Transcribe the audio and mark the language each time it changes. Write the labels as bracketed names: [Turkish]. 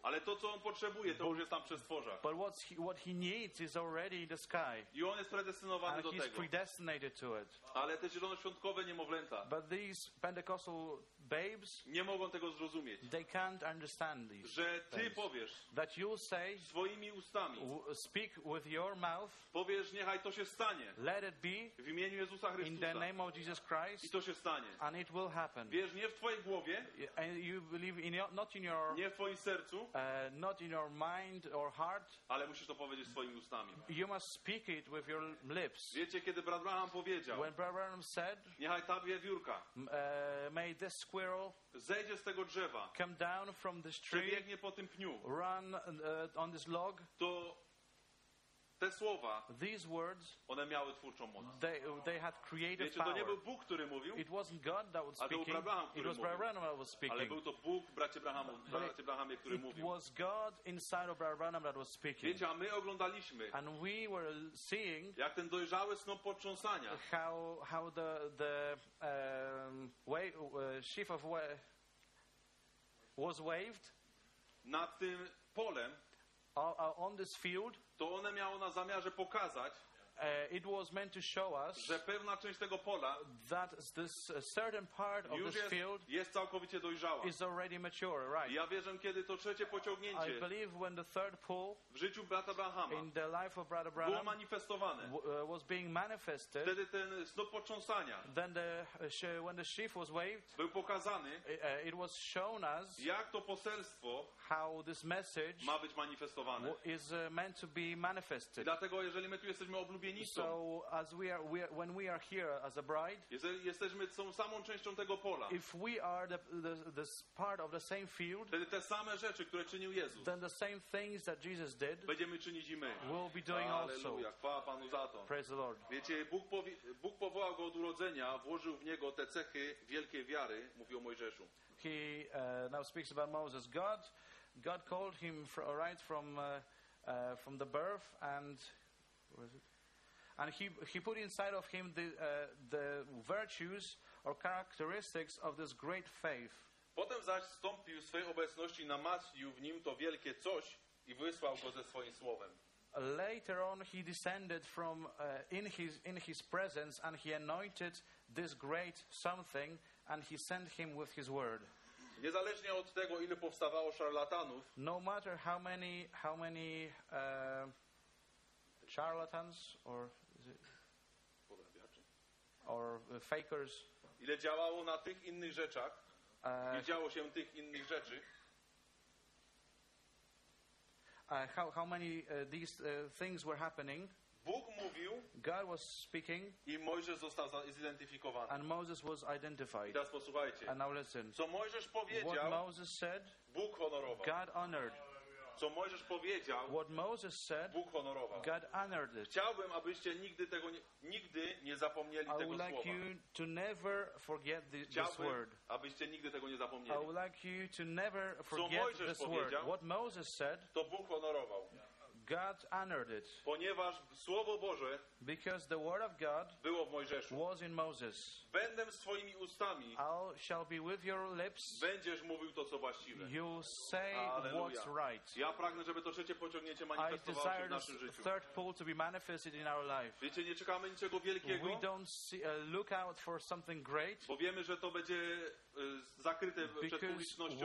[Polish] Ale to, co on potrzebuje, to już jest tam przy stworzach. [English] But what he needs is already in the sky. [Polish] I on jest predestynowany [English] and [Polish] do [English] he's [Polish] tego. [English] Predestinated to it. [Polish] Ale te zielonoświątkowe niemowlęta. [English] But these Pentecostal babes. [Polish] Nie mogą tego zrozumieć. [English] They can't understand these. [Polish] Że ty [English] things. [Polish] Powiesz. [English] That you say. [Polish] Swoimi ustami. [English] Speak with your mouth. [Polish] Powiesz, niechaj to się stanie. [English] Let it be. [Polish] W imieniu Jezusa Chrystusa. [English] In the name of Jesus Christ. [Polish] Stanie. [English] And it will happen. [Polish] Wiesz, nie w twojej głowie. [English] And you believe in your, not in your, [Polish] nie w twoim sercu. [English] Not in your mind or heart. [Polish] Ale musisz to powiedzieć swoimi ustami. [English] You must speak it with your lips. [Polish] Wiecie, kiedy brat Branham powiedział. [English] When brother Branham said. [Polish] Niechaj ta wiewiórka. [English] May this squirrel. [Polish] Zejdzie z tego drzewa. [English] Come down from this tree. [Polish] Przebiegnie po tym pniu. [English] Run on this log. [Polish] To te słowa, [English] these words, [Polish] one miały twórczą moc. [English] They had creative [Polish] wiecie, [English] power. [Polish] To nie był Bóg, który mówił. [English] It wasn't God that was speaking. It was Brother Branham that was speaking. [Polish] Ale był to Bóg, bracie Brahamu, bracie Brahamie, który mówił. [English] It was God inside of Brother Branham that was speaking. [Polish] Wiecie, a my oglądaliśmy. [English] And we were seeing. [Polish] Jak ten dojrzały snop potrząsania. [English] How the way sheaf of was waved. [Polish] Na tym polem. [English] On this field. [Polish] To one miało na zamiarze pokazać, [English] it was meant to show us, [Polish] że pewna część tego pola, [English] that this certain part of this field, [Polish] jest całkowicie dojrzała. [English] Is already mature, right? [Polish] Ja wierzę, kiedy to trzecie pociągnięcie, [English] I believe when the third pull, [Polish] w życiu brata Brahama, [English] in the life of brother Branham, [Polish] było manifestowane, [English] was being manifested, [Polish] wtedy ten snop potrząsania, [English] then the when the sheaf was waved, [Polish] był pokazany, [English] it was shown us, [Polish] jak to poselstwo. [English] How this message [Polish] ma być manifestowane. [English] Is meant to be manifested. [Polish] Dlatego, jeżeli my tu jesteśmy oblubieni, oblubienicą. [English] So as we are when we are here as a bride. [Polish] Jeżeli jesteśmy są samą częścią tego pola. [English] If we are the part of the same field. [Polish] Wtedy te same rzeczy, które czynił Jezus. [English] Then the same things that Jesus did. [Polish] Będziemy czynić i my. [English] We'll be doing also. [Polish] Chwała Panu za to. [English] Praise the Lord. [Polish] Wiecie, Bóg powołał go od urodzenia, włożył w niego te cechy wielkiej wiary, mówił Mojżeszu. [English] He now speaks about Moses. God called him from the birth, and what is it? And he put inside of him the virtues or characteristics of this great faith. [Polish] Potem zaś wstąpił w swej obecności, namaścił w nim to wielkie coś i wysłał go ze swoim słowem. [English] Later on, he descended from in his presence, and he anointed this great something, and he sent him with his word. [Polish] Niezależnie od tego, ile powstawało szarlatanów, [English] no matter how many charlatans or fakers, [Polish] ile działało na tych innych rzeczach, nie działo się tych innych rzeczy. [English] How many these things were happening? [Polish] Bóg mówił, [English] God was speaking, [Polish] i Mojżesz został zidentyfikowany. [English] And Moses was identified. [Polish] I teraz posłuchajcie. [English] And now listen. [Polish] Co Mojżesz powiedział? [English] What Moses said, [Polish] Bóg honorował. [English] God honored. [Polish] Co Mojżesz powiedział? [English] What Moses said, [Polish] Bóg honorował. [English] God honored it. [Polish] Chciałbym, abyście nigdy nie zapomnieli tego słowa. [English] I would like you to never forget this word. Abyście nigdy tego nie zapomnieli. I would like you to never forget this word. What Moses said, [Polish] to Bóg honorował. [English] God honored it. [Polish] Ponieważ słowo Boże, [English] because the word of God, [Polish] było w Mojżeszu. [English] Was in Moses. [Polish] Będę swoimi ustami. [English] I shall be with your lips. [Polish] Będziesz mówił to, co właściwe. [English] You say what's right. [Polish] Ja pragnę, żeby to trzecie pociągnięcie manifestowało się w naszym życiu. [English] Third pull to be manifested in our life. [Polish] Wiecie, nie czekamy niczego wielkiego. [English] We don't look out for something great. [Polish] Bo wiemy, że to będzie zakryte przed publicznością.